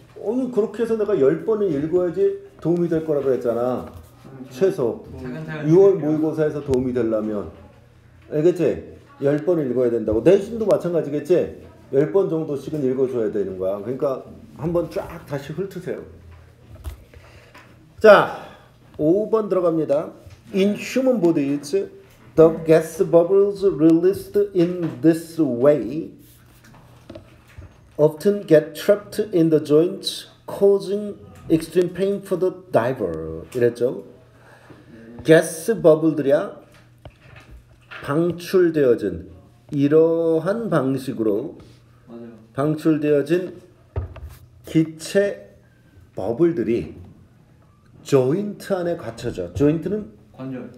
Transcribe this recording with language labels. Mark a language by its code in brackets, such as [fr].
[ko] 아니 그렇게 해서 내가 10번을 읽어야지 도움이 될 거라 그랬잖아. 최소 6월 모의고사에서 도움이 되려면 알겠지? 10번을 읽어야 된다고. 내신도 마찬가지겠지? 10번 정도씩은 읽어줘야 되는 거야. 그러니까 한번 쫙 다시 훑으세요. 자, 5번 들어갑니다. [en] In human bodies, the gas bubbles released in this way often get trapped in the joints, causing extreme pain for the diver. [ko] 이랬죠? Gas bubble들이야. 방출되어진 이러한 방식으로 방출되어진 기체 버블들이 조인트 안에 갇혀져. 조인트는 관절.